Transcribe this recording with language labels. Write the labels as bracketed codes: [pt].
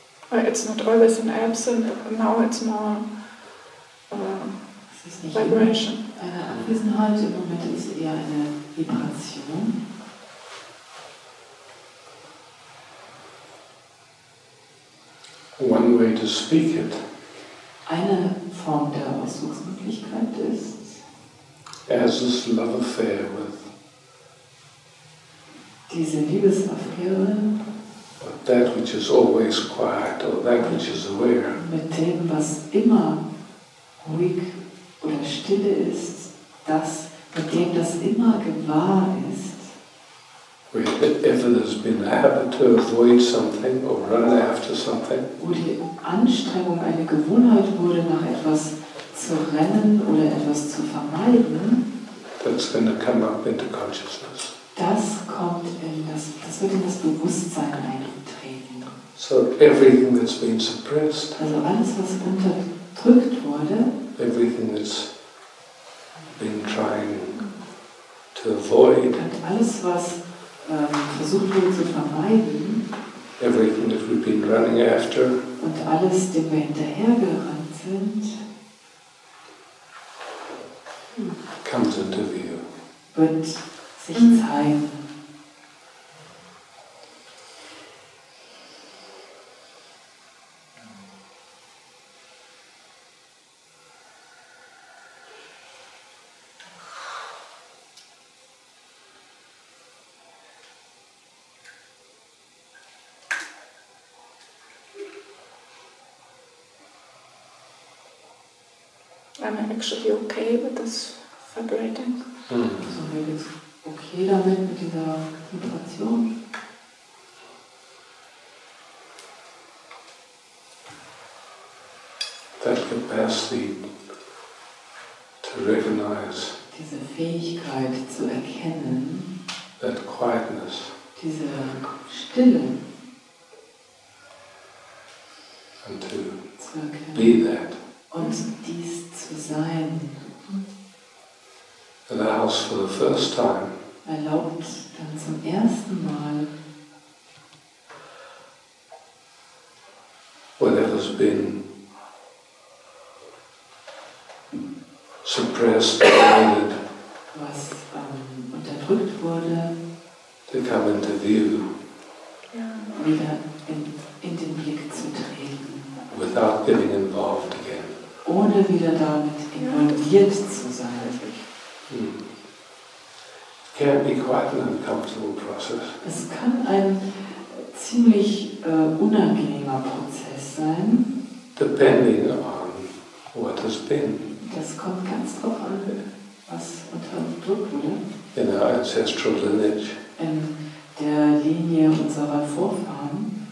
[en] Well, it's not always an absence, now it's more vibration. [de] Eine Abwesenheit im Moment ist eher eine Vibration. [en] One way to speak it. [de] Eine Form der Ausdrucksmöglichkeit ist. [en] As this love affair with. [de] Diese Liebesaffäre. [en] But that which is always quiet or that which is aware. [de] Mit dem, was immer ruhig oder stille ist. Das, mit dem das immer gewahr ist. [en] Whether there's been a habit to avoid something or run after something. [de] Wo die Anstrengung eine Gewohnheit wurde, nach etwas zu rennen oder etwas zu vermeiden. [en] That's going to come up into consciousness. [de] Das kommt in das, das wird in das Bewusstsein eintreten. [en] So everything that's been suppressed. [de] Also alles, was unterdrückt wurde. [en] Everything that's been trying to avoid. [de] Und alles, was versucht wurde zu vermeiden. [en] Everything that we've been running after. [de] Und alles, dem wir hinterhergerannt sind. [en] Comes into view. [de] Wird sich zeigen. [en] I'm actually okay with this vibrating. So maybe it's okay [de] damit mit dieser Vibration. [en] That capacity to recognize. [de] Diese Fähigkeit zu erkennen. [en] That quietness. [de] Diese Stille. [en] And to [de] zu erkennen. [en] Be that. [de] Und dies zu sein. [en] Allows for the first time. [de] Erlaubt dann zum ersten Mal. [en] Whatever's been suppressed, avoided, [de] was unterdrückt wurde, [en] to come into view, [de] wieder in den Blick zu treten, [en] without getting involved again, [de] ohne wieder damit involviert zu sein. [en] Can be quite an uncomfortable process. [de] Es kann ein ziemlich unangenehmer Prozess sein. [en] Depending on what has been. [de] Das kommt ganz drauf an, was unterdrückt wurde. [en] In our ancestral lineage. [de] In der Linie unserer Vorfahren.